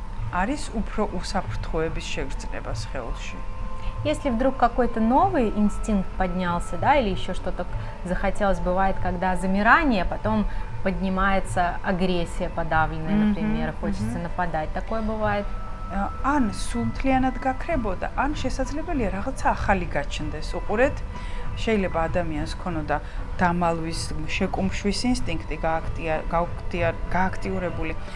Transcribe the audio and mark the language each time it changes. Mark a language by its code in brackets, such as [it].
[ka] Არის უფრო უსაფრთხოების შეგრძნება სხეულში. [ru] Если вдруг какой-то новый инстинкт поднялся, да, или ещё что-то захотелось, бывает, когда замирание, потом поднимается агрессия подавленная, например, хочется нападать. Такое бывает. [ka] Ან სუნთლიანად გაქრებოდა, ან შესაძლებელია რაღაცა ახალი გაჩნდეს. უყურეთ, შეიძლება ადამიანს ქონოდა დამალვის, შეკუმშვის ინსტინქტი გააქტიურებული.